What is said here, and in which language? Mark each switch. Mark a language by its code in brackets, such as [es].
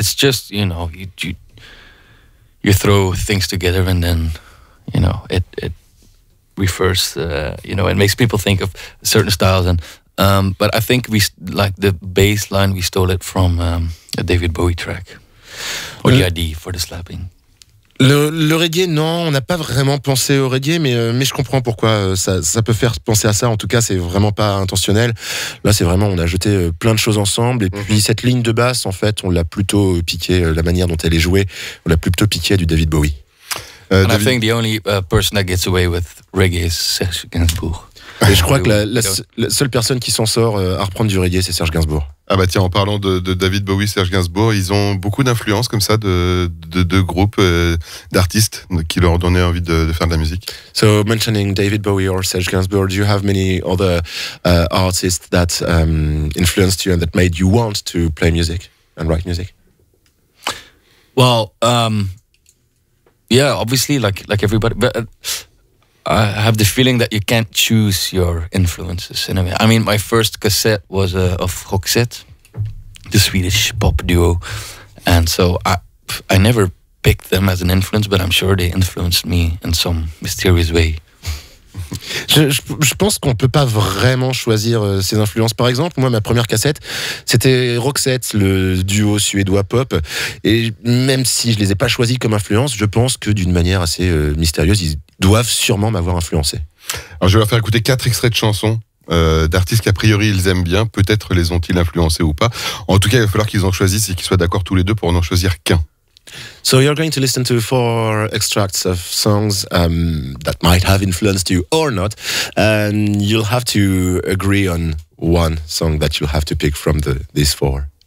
[en] It's just, you know, you throw things together and then, you know, it refers, you know, it makes people think of certain styles. And but I think we like the bass line, we stole it from a David Bowie track, or the ID for the slapping. [fr] Le reggae, non, on n'a pas vraiment pensé au reggae, mais je comprends pourquoi ça peut faire penser à ça. En tout cas, c'est vraiment pas intentionnel. Là, c'est vraiment, on a jeté plein de choses ensemble. Et puis, cette ligne de basse, en fait, on l'a plutôt piqué, la manière dont elle est jouée, on l'a plutôt piqué à du David Bowie. [en] And David... I think the only person that gets away with reggae is Serge Gainsbourg. [fr] Et je crois que la seule personne qui s'en sort à reprendre du reggae, c'est Serge Gainsbourg. Ah bah tiens, en parlant de David Bowie, Serge Gainsbourg, ils ont beaucoup d'influence comme ça de groupes, d'artistes qui leur ont donné envie de faire de la musique. [en] So mentioning David Bowie or Serge Gainsbourg, do you have many other artists that influenced you and that made you want to play music and write music? Well, yeah, obviously, like everybody, but I have the feeling that you can't choose your influences in a way. I mean, my first cassette was of Roxette, the Swedish pop duo, and so I never picked them as an influence, but I'm sure they influenced me in some mysterious way. [fr] Je pense qu'on peut pas vraiment choisir ses influences. Par exemple, moi, ma première cassette, c'était Roxette, le duo suédois pop. Et même si je les ai pas choisis comme influence, je pense que d'une manière assez mystérieuse, ils doivent sûrement m'avoir influencé. Alors, je vais leur faire écouter quatre extraits de chansons d'artistes qu'a priori ils aiment bien. Peut-être les ont-ils influencés ou pas. En tout cas, il va falloir qu'ils en choisissent et qu'ils soient d'accord tous les deux pour n'en choisir qu'un. [en] So you're going to listen to four extracts of songs that might have influenced you or not, and you'll have to agree on one song that you'll have to pick from these four.